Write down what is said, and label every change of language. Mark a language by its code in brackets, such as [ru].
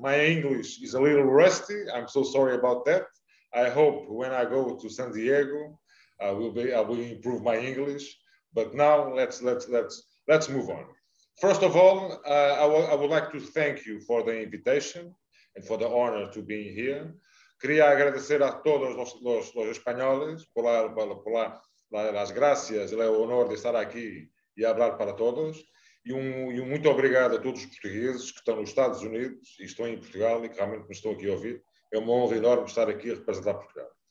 [en] My English is a little rusty. I'm so sorry about that. I hope when I go to San Diego, I will improve my English. But now let's move on. First of all, I would like to thank you for the invitation and for the honor to be here. [es] Queria agradecer a todos los españoles por las gracias y el honor de estar aqui e hablar para todos. [pt] E muito obrigado a todos os portugueses que estão nos Estados Unidos e estão em Portugal e que realmente me estão aqui a ouvir. É uma honra enorme estar aqui a representar Portugal.